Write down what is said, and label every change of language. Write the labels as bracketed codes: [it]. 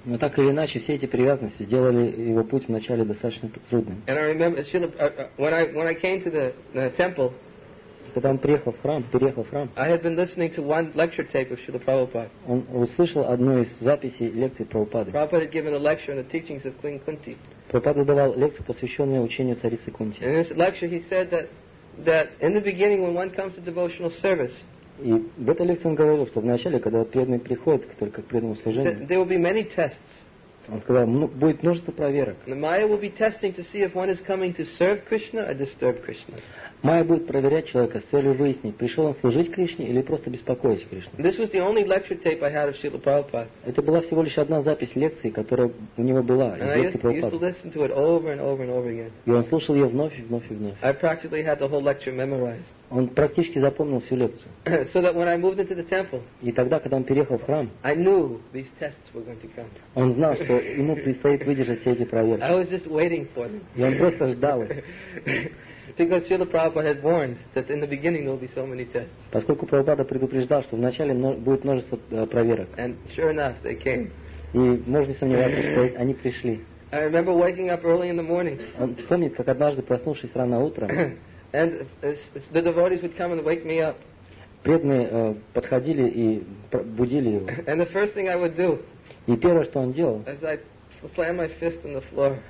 [ru] Но так или иначе все эти привязанности делали его путь вначале достаточно трудным. [en] And I remember Shila, when I came to the temple. [ru] Когда он переехал в храм. [en] I had been listening to one lecture tape of Srila Prabhupada. [ru] Он услышал одну из записей лекции Прабхупады. [en] Prabhupada had given a lecture on the teachings of Queen Kunti. [ru] Прабхупада давал лекцию, посвященную учению царицы Кунти. [en] In this lecture, he said that in the beginning, when one comes to devotional service. [ru] И в этой лекции он говорил, что вначале, когда преданный приходит только к преданному служению. [en] Said, there will be many tests. [ru] Он сказал, будет множество проверок. [en] The Maya will be testing to see if one is coming to serve Krishna or disturb Krishna. [ru] Майя будет проверять человека с целью выяснить, пришел он служить Кришне или просто беспокоить Кришну. [en] This was the only lecture tape I had of Srila Prabhupada. [ru] Это была всего лишь одна запись лекции, которая у него была. [en] And I used to listen to it over and over and over again. [ru] И он слушал ее вновь и вновь и вновь. [en] I practically had the whole lecture memorized. [ru] Он практически запомнил всю лекцию. [en] So that when I moved into the temple, [ru] и тогда, когда он переехал в храм, [en] I knew these tests were going to come. [ru] Он знал, что ему предстоит выдержать все эти проверки. [en] I was just waiting for them. [ru] И он просто ждал их. [en] Because Srila Prabhupada had warned that in the beginning there will be so many tests. [ru] Поскольку Прабхупада предупреждал, что вначале будет множество проверок. [en] And sure enough, they came. [ru] И можно сомневаться, что они пришли. [en] I remember waking up early in the morning. [ru] Он помнит, как однажды проснувшись рано утром. [en] And the devotees would come and wake me up. [ru] Преданные подходили и будили его. [en] And the first thing I would do. [ru] И первое, что он делал. [en] As I slam my fist on the floor.